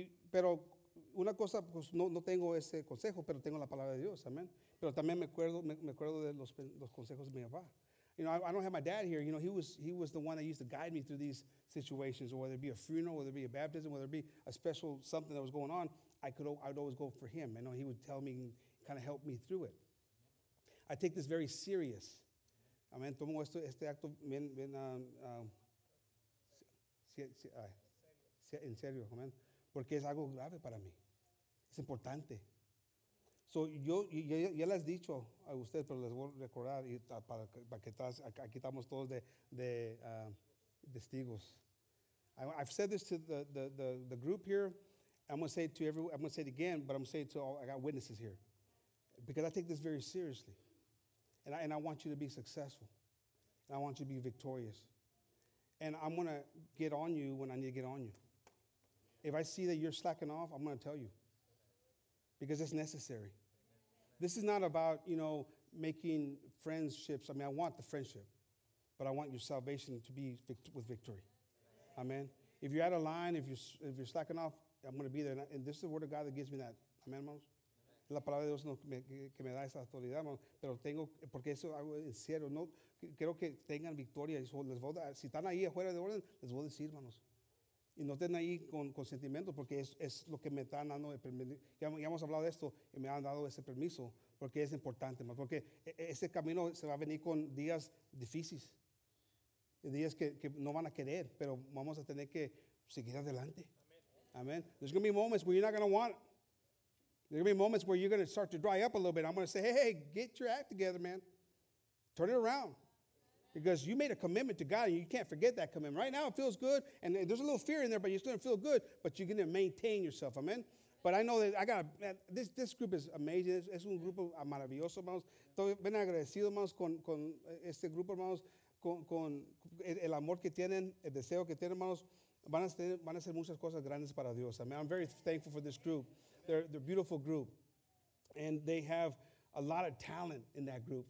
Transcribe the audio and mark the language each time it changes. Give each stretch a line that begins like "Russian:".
Spanish: Pero una cosa, no tengo ese consejo, pero tengo la palabra de Dios, amén. Pero también me acuerdo de los consejos de mi papá.
English: I don't have my dad here. He was the one that used to guide me through these situations, or whether it be a funeral, whether it be a baptism, whether it be a special something that was going on. I'd always go for him. He would tell me, kind of help me through it. I take this very serious. Amen.
Spanish: Tomo esto, este acto bien, bien, en serio, amen. Porque es algo grave para mí. Es importante. So, yo les he dicho a usted, pero les voy a recordar, y para que aquí estamos todos de testigos.
English: I've said this to the group here. I'm going to say it to everyone. I'm going to say it again, but I'm going to say it to all. I got witnesses here. Because I take this very seriously. And I want you to be successful. And I want you to be victorious. And I'm going to get on you when I need to get on you. If I see that you're slacking off, I'm going to tell you. Because it's necessary. This is not about, you know, making friendships. I mean, I want the friendship. But I want your salvation to be with victory. Amen. If you're out of line, if you're slacking off, I'm going to be there. And this is the word of God that gives me that. Amen, hermanos.
Spanish: La palabra de Dios que me da esa autoridad, pero tengo, porque eso hago en serio, no, quiero que tengan victoria, les voy a, si están ahí afuera de orden, les voy a decir, hermanos, y no estén ahí con sentimientos, porque es lo que me están dando, ya hemos hablado de esto, y me han dado ese permiso, porque es importante, hermanos, porque ese camino se va a venir con días difíciles, días que no van a querer, pero vamos a tener que seguir adelante. Amen.
English: There's going to be moments where you're not going to want. There are going to be moments where you're going to start to dry up a little bit. I'm going to say, hey, get your act together, man. Turn it around. Because you made a commitment to God, and you can't forget that commitment. Right now, it feels good, and there's a little fear in there, but you're still going to feel good, but you're going to maintain yourself, amen? But I know that I got this group is amazing.
Spanish: Es un grupo maravilloso, hermanos. Estoy bien agradecido, hermanos, con este grupo, hermanos, con el amor que tienen, el deseo que tienen, hermanos. Van a ser muchas cosas grandes para Dios.
English: I mean, I'm very thankful for this group. They're a beautiful group. And they have a lot of talent in that group.